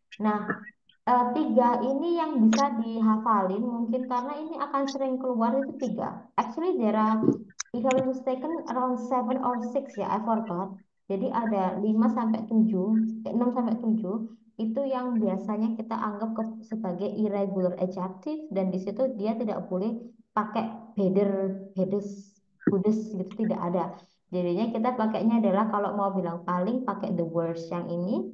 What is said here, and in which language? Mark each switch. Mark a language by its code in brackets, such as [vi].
[id] Nah, tiga ini yang bisa dihafalin mungkin karena ini akan sering keluar itu tiga. [en] Actually there are, if I'm mistaken, around 7 or 6 ya, I forgot. [id] Jadi ada 5 sampai 7, 6 sampai 7 itu yang biasanya kita anggap sebagai irregular adjective dan di situ dia tidak boleh pakai better, bestest, goodest gitu tidak ada. Jadinya kita pakainya adalah kalau mau bilang paling pakai the worst yang ini.